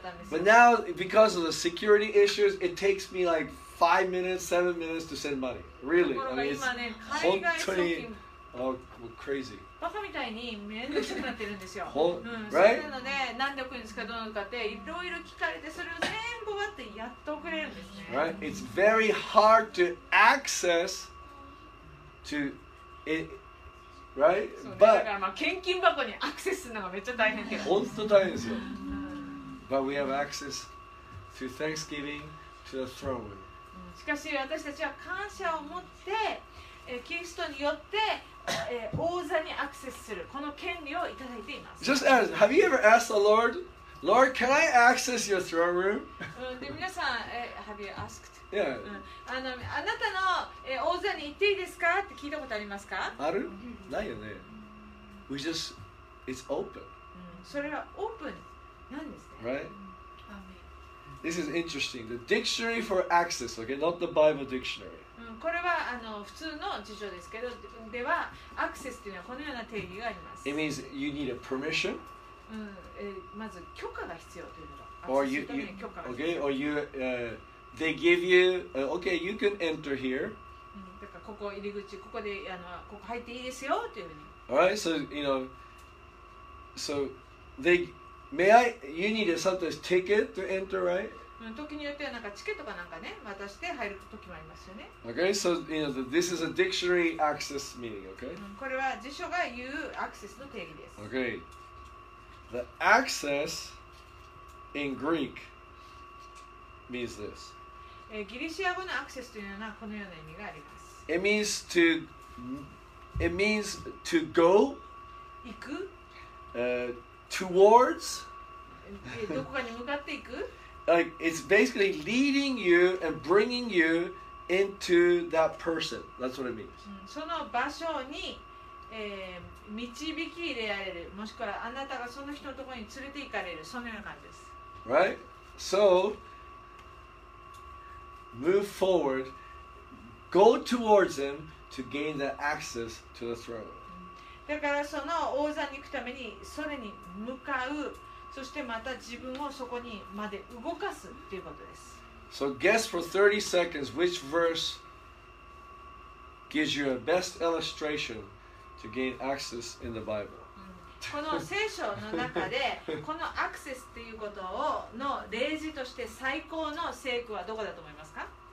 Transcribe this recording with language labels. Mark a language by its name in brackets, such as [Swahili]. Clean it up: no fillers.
[English] But now, because of the security issues, it takes me like 5 minutes, 7 minutes to send money. Really, I mean, it's [Japanese] 本当に, [English] crazy. [Japanese] バカみたいに面倒くさくなってるんですよ。 [English] Right? [Japanese] それなので、何で送るんですか、どうなのかっていろいろ聞かれて、それを全部終わってやっと送れるんですね。 [English] Right? It's very hard to access to it, right? [Japanese] But だからまあ献金箱にアクセスするのがめっちゃ大変です。本当大変ですよ。 [English] But we have access to thanksgiving to the throne. [Japanese] しかし私たちは感謝を持ってキリストによって王座にアクセスするこの権利をいただいています。 [English] Just ask, have you ever asked the Lord, Lord, can I access your throne room? [Japanese] で皆さん、 [English] have you asked? Yeah. [Japanese] あなたの王座に行っていいですかって聞いたことありますか？ある？ないよね。 [English] We just, it's open. [Japanese] それはオープンなんですね。 [English] Right? This is interesting. The dictionary for access, okay? Not the Bible dictionary. [Japanese] これは普通の辞書ですけど、ではアクセスというのはこのような定義があります。 [English] It means you need a permission. [Japanese] まず許可が必要というのが。 [English] Or you, okay? Or you, they give you, okay? You can enter here. [Japanese] だからここ入り口、ここでここ入っていいですよというふうに。 [English] Alright, so you know, so they may I? You need a sometimes ticket to enter, right? [Japanese] 時によってはなんかチケットかなんかね渡して入る時もありますよね。 [English] Okay, so you know, this is a dictionary access meaning, okay? [Japanese] これは辞書が言うアクセスの定義です。 [English] Okay. The access in Greek means this. [Japanese] ギリシア語のアクセスというのはこのような意味があります。 [English] It means to go [Japanese] 行く [English] towards [Japanese] どこかに向かっていく [English] like it's basically leading you and bringing you into that person. That's what it means. [Japanese] その場所に、導き入れられる、もしくはあなたがその人のところに連れて行かれる、そのような感じです。 [English] Right? So move forward, go towards him to gain the access to the throne. [Japanese] だからその王座に行くためにそれに向かう。そしてまた自分をそこにまで動かすということです。 [English] So guess for 30 seconds which verse gives you a best illustration to gain access in the Bible. [Japanese] この聖書の中でこのアクセスっていうことをの例示として最高の聖句はどこだと思いますか？